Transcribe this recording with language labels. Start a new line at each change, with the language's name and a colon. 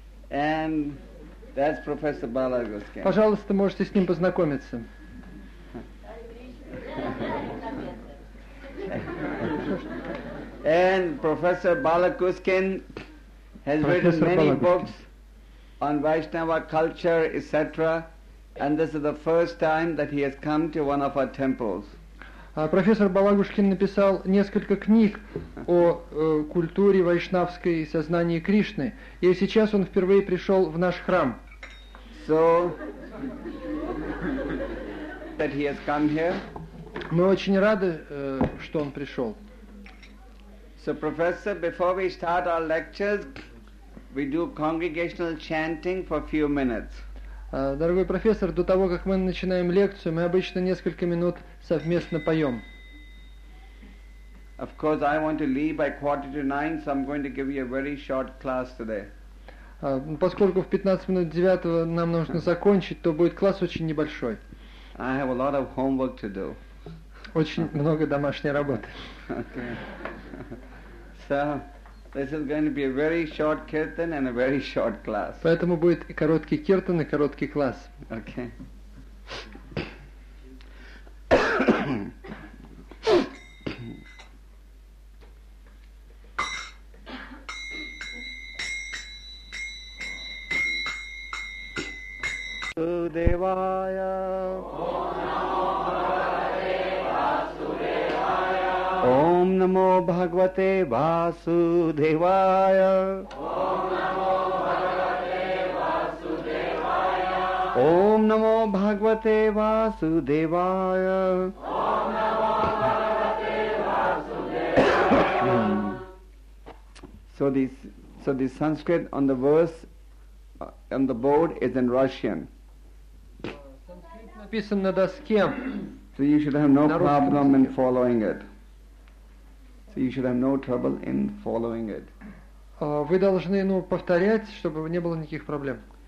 English: And that's Professor Balagushkin.
Russian: Пожалуйста, можете с ним познакомиться.
English: And Professor Balagushkin has written many books on Vaishnava culture, etc. And this is the first time that he has come to one of our temples.
Russian: Профессор Балагушкин написал несколько книг о культуре вайшнавской и сознании Кришны. И сейчас он впервые пришел в наш храм.
English: So, that he has come here.
Russian: Мы очень рады, что он пришел.
English: So, professor, before we start our lectures, we do congregational chanting for a few minutes.
Russian: Дорогой профессор, до того, как мы начинаем лекцию, мы обычно несколько минут совместно поем.
English: Of course, I want to leave by 8:45, so I'm going to give you a very short class today.
Russian: Поскольку в 8:45 нам нужно закончить, то будет класс очень небольшой.
English: I have a lot of homework to do.
Russian: Очень много домашней работы.
English: So, this is going to be a very short kirtan and a very short class.
Russian: Поэтому будет и короткий киртан, и короткий класс.
English: Okay.
Sanskrit: Sudevaya. Om namo Bhagavate Vasudevaya. Om namo Bhagavate Vasudevaya. Ом намо Бхагавате Васудевая. Ом намо Бхагавате Васудевая.
English: So this Sanskrit on the verse on the board is in Russian.
Russian: Написан на доске.
English: So you should have no problem in following it.
Russian: Вы должны, ну, повторять, чтобы не было никаких проблем.